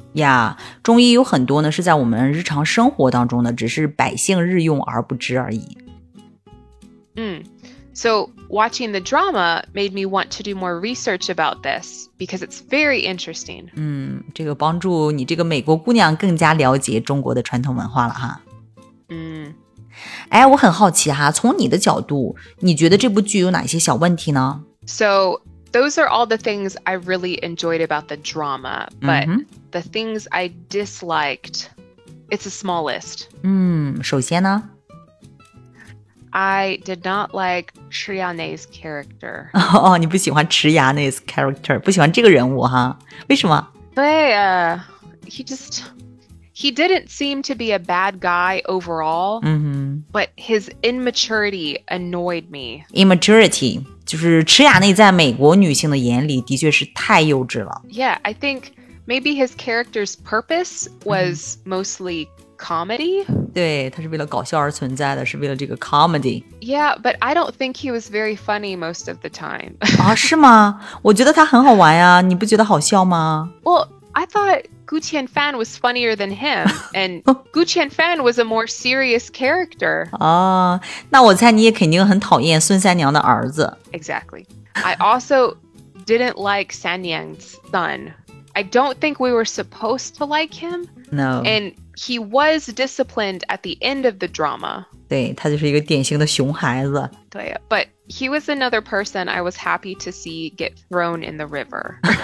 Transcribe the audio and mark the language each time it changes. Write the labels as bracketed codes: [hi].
[zh] Yeah, 中医有很多呢是在我们日常生活当中呢只是百姓日用而不知而已。 [en] So watching the drama made me want to do more research about this because it's very interesting. [zh] 这个帮助你这个美国姑娘更加了解中国的传统文化了哈。我很好奇哈，从你的角度，你觉得这部剧有哪些小问题呢？ [en] So, those are all the things I really enjoyed about the drama, but the things I disliked, it's a small list. [zh] 首先呢？ [en] I did not like Triane's character. [zh] 你不喜欢 [en] Triane's character, [zh] 不喜欢这个人物哈，为什么？对啊 [en] He didn't seem to be a bad guy overall, but his immaturity annoyed me. [zh] Immaturity, 就是池雅内在美国女性的眼里的确是太幼稚了。 [en] Yeah, I think maybe his character's purpose was mostly comedy. [zh] 对，他是为了搞笑而存在的，是为了这个 comedy. [en] Yeah, but I don't think he was very funny most of the time. [zh] 是吗？我觉得他很好玩呀，你不觉得好笑吗？ [en] Well, I thought... Gu Qianfan was funnier than him, and Gu Qianfan was a more serious character. [zh] 那我猜你也肯定很讨厌孙三娘的儿子。 [en] Exactly. I also didn't like San Yang's son. I don't think we were supposed to like him. No. And he was disciplined at the end of the drama. [zh] 对，他就是一个典型的熊孩子。对啊， [en] but he was another person I was happy to see get thrown in the river.